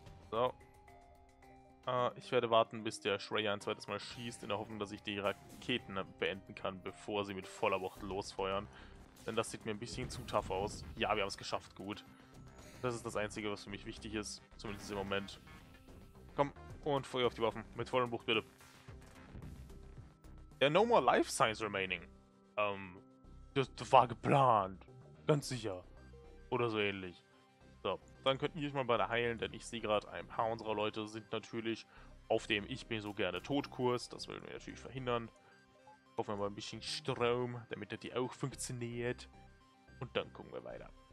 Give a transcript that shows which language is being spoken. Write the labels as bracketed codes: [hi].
[de] So. Ich werde warten, bis der Schreier ein zweites Mal schießt, in der Hoffnung, dass ich die Raketen beenden kann, bevor sie mit voller Wucht losfeuern. Denn das sieht mir ein bisschen zu tough aus. Ja, wir haben es geschafft, gut. Das ist das Einzige, was für mich wichtig ist, zumindest im Moment. Komm, und Feuer auf die Waffen, mit vollem Buch, bitte. [en] There are no more life signs remaining. [de] Das war geplant, ganz sicher. Oder so ähnlich. So, dann könnt ihr euch mal beide heilen, denn ich sehe gerade, ein paar unserer Leute sind natürlich auf dem Ich-bin-so-gerne-Tot-Kurs. Das wollen wir natürlich verhindern. Hoffen wir mal ein bisschen Strom, damit das hier auch funktioniert. Und dann gucken wir weiter.